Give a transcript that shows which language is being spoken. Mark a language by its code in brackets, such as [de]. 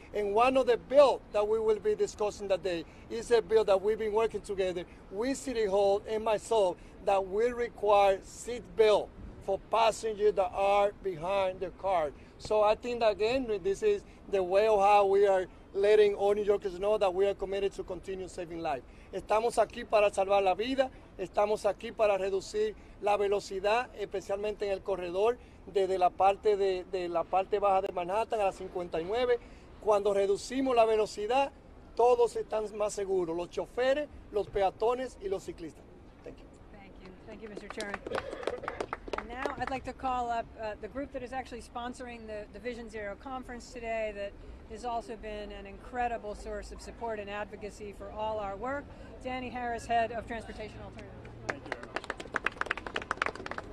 [en] And one of the bills that we will be discussing that day is a bill that we've been working together with City Hall and myself that will require seat belt for passengers that are behind the car. So I think that, again, this is the way of how we are letting all New Yorkers know that we are committed to continue saving life. [es] Estamos aquí para salvar la vida. Estamos aquí para reducir la velocidad, especialmente en el corredor, desde la parte de la parte baja de Manhattan a la 59. Cuando reducimos la velocidad, todos están más seguros, los choferes, los peatones y los ciclistas. [en] Thank you. Thank you. Thank you, Mr. Chairman. And now I'd like to call up the group that is actually sponsoring the Vision Zero conference today, that has also been an incredible source of support and advocacy for all our work. Danny Harris, head of Transportation Alternative.